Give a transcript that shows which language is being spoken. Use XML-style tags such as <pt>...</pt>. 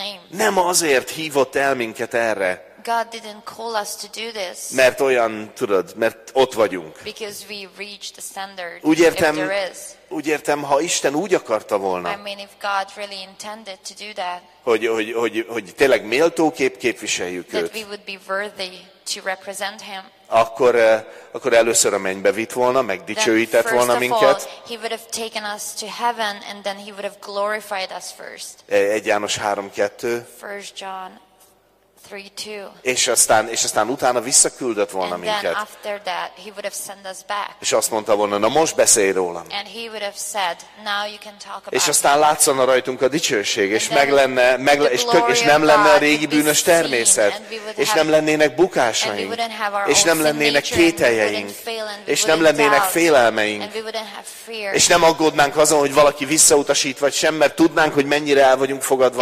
<hu>Nem azért hívott el minket erre,</hu> <en>God didn't call us to do this.</en> <hu>Mert olyan, tudod, mert ott vagyunk.</hu> <en>Because we reached the standard.</en> <hu>Úgy értem, ha Isten úgy akarta volna.</hu> <en>I mean, if God really intended to do that.</en> <hu>Hogy tényleg méltóképp képviseljük</hu> <en>that</en> <hu>őt.</hu> <en>That we would be worthy to represent him.</en> <hu>Akkor először a mennybe vitt volna, megdicsőített volna minket.</hu> <en>He would have taken us to heaven and then he would have glorified us first.</en> <hu>1 János 3:2.</hu> <en>1 John 3:2.</en> <hu>És aztán utána visszaküldött volna</hu> <en>and then</en> <hu>minket.</hu> <en>After that, he would have sent us back.</en> <hu>És azt mondta volna, na most beszélj rólam.</hu> <en>And he would have said, now you can talk about</en> <hu>és aztán látszana rajtunk a dicsőség, és meg lenne, meg,</hu> <en>the</en> <hu>és, tök, és nem lenne a régi bűnös természet,</hu> <en>seen,</en> <hu>és nem lennének bukásaink, és nem lennének kételjeink, és nem lennének félelmeink, és nem aggódnánk azon, hogy valaki visszautasít, vagy sem, mert tudnánk, hogy mennyire el vagyunk fogadva</hu>